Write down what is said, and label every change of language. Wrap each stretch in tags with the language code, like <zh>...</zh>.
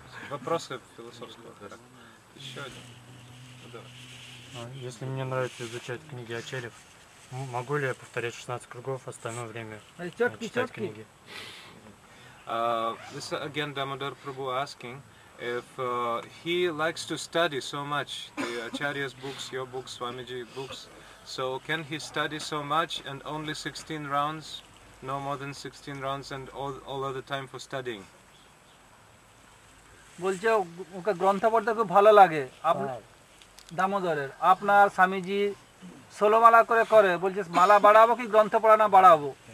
<ru>Вопросы философского характера. Еще один. Давай. Если мне нравится изучать книги Ачарьев, могу ли я повторять 16 кругов остальное время читать книги?</ru> <en>This is again Damodar Prabhu asking if he likes to study so much the Acharya's books, your books, Swamiji books. So can he study so much and only 16 rounds, no more than 16 rounds, and all other time for studying?</en> <bn>বলছে ওকে গ্রন্থ পড়তে খুব ভালো লাগে আপনার দামোদরের আপনার স্বামীজি সোলোমালা করে করে বলছে মালা বাড়াবো কি গ্রন্থ পড়া না বাড়াবো</bn>